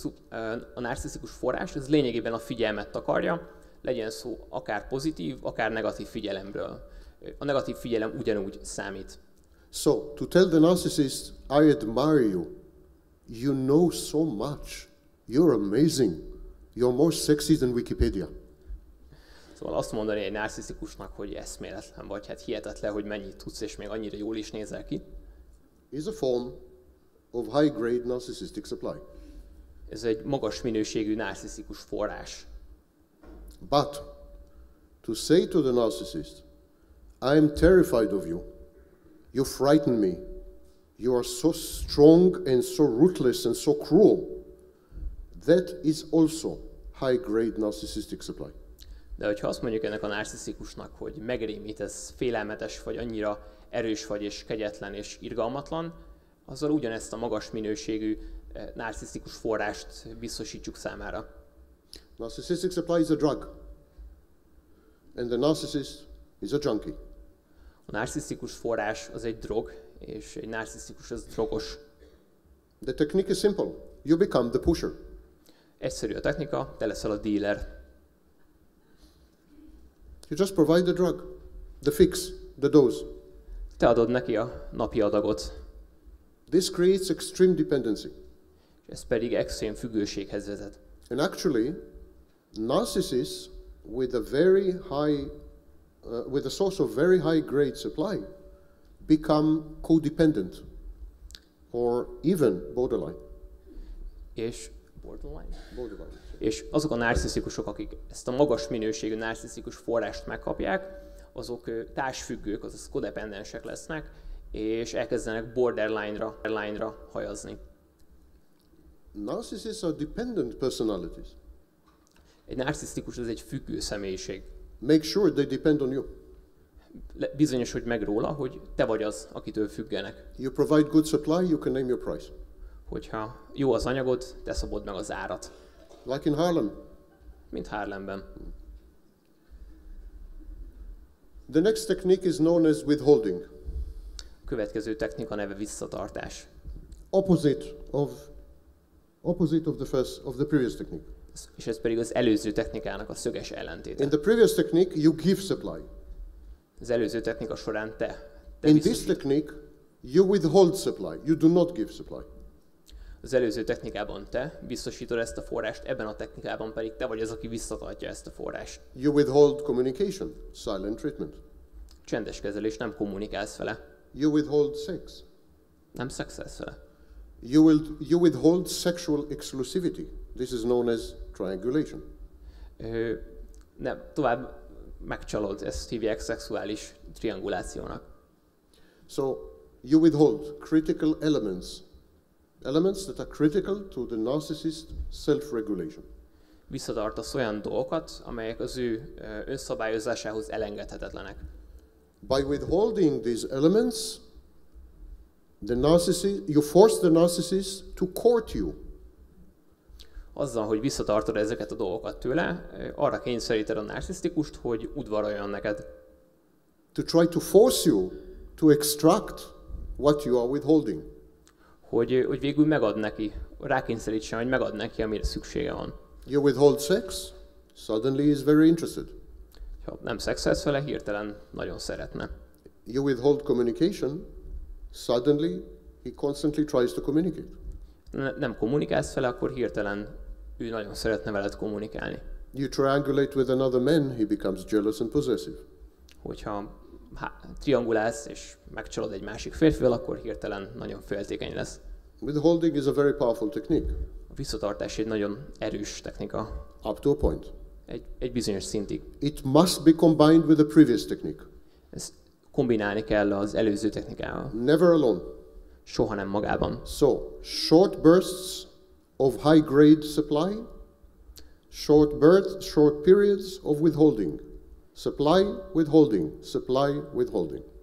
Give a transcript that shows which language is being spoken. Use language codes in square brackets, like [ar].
[hu] A narcisztikus forrás, ez lényegében a figyelmet takarja, legyen szó akár pozitív, akár negatív figyelemről. A negatív figyelem ugyanúgy számít. [en] So, to tell the narcissist, I admire you, you know so much, you're amazing, you're more sexy than Wikipedia. [hu] Szóval azt mondani egy narcisztikusnak, hogy eszméletlen vagy, hát hihetetlen, hogy mennyit tudsz, és még annyira jól is nézel ki. [en] Is a form of high-grade narcissistic supply. [hu] Ez egy magas minőségű narcisztikus forrás. [en] But to say to the narcissist, I am terrified of you, you frighten me, you are so strong and so ruthless and so cruel, that is also high-grade narcissistic supply. [hu] De hogyha azt mondjuk ennek a narcisztikusnak, hogy megrémítesz, félelmetes vagy, annyira erős vagy és kegyetlen és irgalmatlan, azzal ugyanezt a magas minőségű narcisztikus forrást biztosítjuk számára. [en] Narcissistic supply is a drug. And the narcissist is a junkie. [hu] A narcisztikus forrás az egy drog, és egy narcisztikus az drogos. [en] The technique is simple. You become the pusher. [hu] Egyszerű a technika, te leszel a dealer. [en] You just provide the drug, the fix, the dose. [hu] Te adod neki a napi adagot. [en] This creates extreme dependency. [hu] És ez pedig extrém függőséghez vezet. [en] And actually, narcissists with a very high, with a source of very high grade supply, become codependent, or even borderline. [hu] És borderline. És azok a narcisztikusok, akik ezt a magas minőségű narcisztikus forrást megkapják, azok társfüggők, azaz kodependensek lesznek, és elkezdenek borderline-ra hajazni. [en] Narcissists are dependent personalities. [hu] Egy narcisztikus az egy függő személyiség. [en] Make sure they depend on you. [hu] Bizonyos, hogy meg róla, hogy te vagy az, akitől függenek. [en] You provide good supply, you can name your price. [hu] Hogyha jó az anyagod, te szabod meg az árat. [en] Like in Harlem. [hu] Mint Harlemben. [en] The next technique is known as withholding. [hu] Következő technika neve visszatartás. [en] Opposite of the first of the previous technique. [hu] És ez pedig az előző technikának a szöges ellentéte. [en] In the previous technique you give supply. [hu] Az előző technika során te. [en] In this technique you withhold supply. You do not give supply. [hu] Az előző technikában te biztosítod ezt a forrást, ebben a technikában pedig te vagy az, aki visszatartja ezt a forrást. [en] You withhold communication, silent treatment. [hu] Csendes kezelés, nem kommunikálsz vele. [en] You withhold sex. [hu] Nem szexelsz vele. [en] You withhold sexual exclusivity. This is known as triangulation. [hu] Nem, tovább megcsalod, ezt hívják szexuális triangulációnak. [en] So, you withhold critical elements. Elements that are critical to the narcissist self-regulation. [hu] Visszatartasz olyan dolgokat, amelyek az ő önszabályozásához elengedhetetlenek. [en] By withholding these elements, you force the narcissist to court you. [hu] Azzal, hogy visszatartod ezeket a dolgokat tőle, arra kényszeríted a narcisztikust, hogy udvaroljon neked. [en] To try to force you to extract what you are withholding. [hu] Hogy végül megad neki, rákényszerítsen, hogy megad neki, amire szüksége van. [en] You withhold sex, suddenly is very interested. [hu] Ha nem szexelsz vele, hirtelen nagyon szeretne. [en] You withhold communication, suddenly he constantly tries to communicate. [hu] Nem kommunikálsz vele, akkor hirtelen ő nagyon szeretne veled kommunikálni. [en] You triangulate with another man, he becomes jealous and possessive. [hu] Hogyha triangulálsz és megcsalod egy másik férfivel, akkor hirtelen nagyon féltékeny lesz. [en] Withholding is a very powerful technique. [hu] A visszatartás egy nagyon erős technika. [en] Up to a point. [hu] Egy bizonyos szintig. [en] It must be combined with the previous technique. [hu] Ezt kombinálni kell az előző technikával. [en] Never alone. [hu] Soha nem magában. [en] So, short bursts of high grade supply Short birth, short periods of withholding. Supply, withholding, supply, withholding.